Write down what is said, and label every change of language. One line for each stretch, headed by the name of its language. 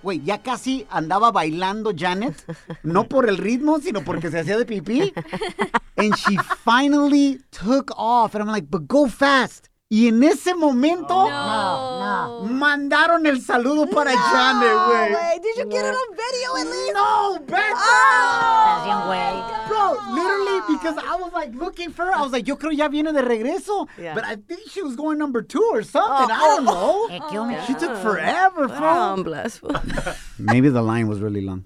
Spanish: Güey, ya casi andaba bailando Janet, no por el ritmo, sino porque se hacía de pipí.
English: And she finally took off, and I'm like, but go fast.
Spanish: Y en ese momento, mandaron el saludo para Janet, güey.
English: Did you get it on video at least? No, Becca. That's your way. Bro, literally, because I was like looking for her. I was like,
Spanish: yo creo ya viene de regreso.
English: Yeah. But I think she was going number two or something. I don't know. She took forever, bro. I'm blessed. Maybe the line was really long.